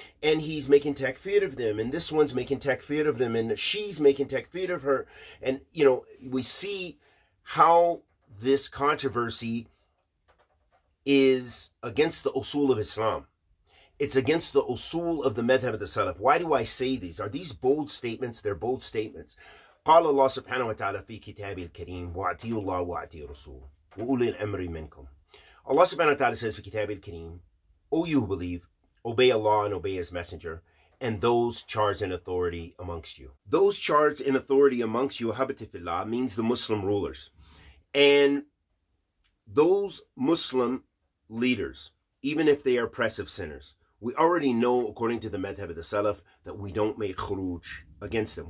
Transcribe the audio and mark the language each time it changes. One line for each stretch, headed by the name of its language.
English: And he's making takfeer of them, and this one's making takfeer of them, and she's making takfeer of her. And, you know, we see how this controversy is against the usul of Islam. It's against the usul of the madhhab of the Salaf. Why do I say these? Are these bold statements? They're bold statements.
Arabic: قال الله سبحانه وتعالى في كتابه الكريم وعطي الله وعطي الرسول وأولي الأمر منكم.
English: Allah subhanahu wa ta'ala says
Arabic: في كتابه الكريم,
English: O you who believe, obey Allah and obey His Messenger and those charged in authority amongst you. Those charged in authority amongst you,
Arabic: habati fillah,
English: means the Muslim rulers. And those Muslim leaders, even if they are oppressive sinners, we already know, according to the madhab of the Salaf, that we don't make khuruj against them.